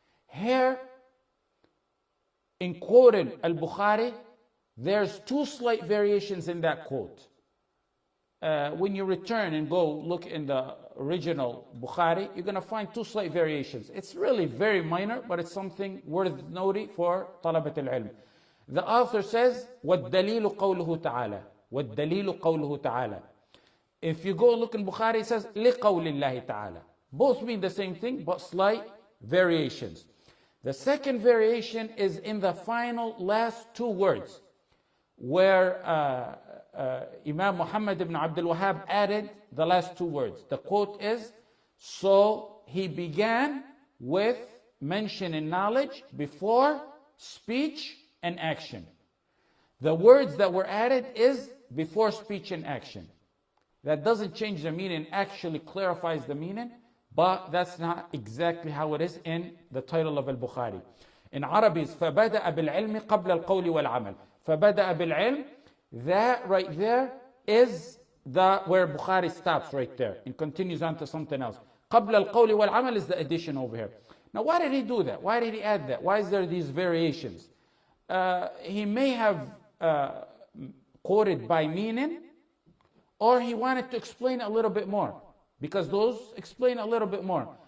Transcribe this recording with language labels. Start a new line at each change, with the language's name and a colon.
English: Here, in quoting al-Bukhari, there's two slight variations in that quote. When you return and go look in the original Bukhari, you're going to find two slight variations. It's really very minor, but it's something worth noting for talabat al-ilm. The author says,
Arabic: وَالدَّلِيلُ قَوْلُهُ تَعَالَى وَالدَّلِيلُ قَوْلُهُ تَعَالَى.
English: If you go look in Bukhari, it says,
Arabic: لِقَوْلِ اللَّهِ تَعَالَى.
English: Both mean the same thing, but slight variations. The second variation is in the final last two words, where Imam Muhammad ibn Abdul Wahhab added the last two words. The quote is, so he began with mentioning knowledge before speech and action. The words that were added is before speech and action. That doesn't change the meaning, actually clarifies the meaning, but that's not exactly how it is in the title of al-Bukhari. In Arabic,
Arabic: فَبَدَأَ بِالْعِلْمِ قَبْلَ الْقَوْلِ وَالْعَمَلِ. فَبَدَأَ بِالْعِلْمِ.
English: That right there is the where Bukhari stops right there and continues on to something else.
Arabic: قَبْلَ الْقَوْلِ وَالْعَمَلِ
English: is the addition over here. Now, why did he do that? Why did he add that? Why is there these variations? He may have quoted by meaning, or he wanted to explain a little bit more, because those explain a little bit more.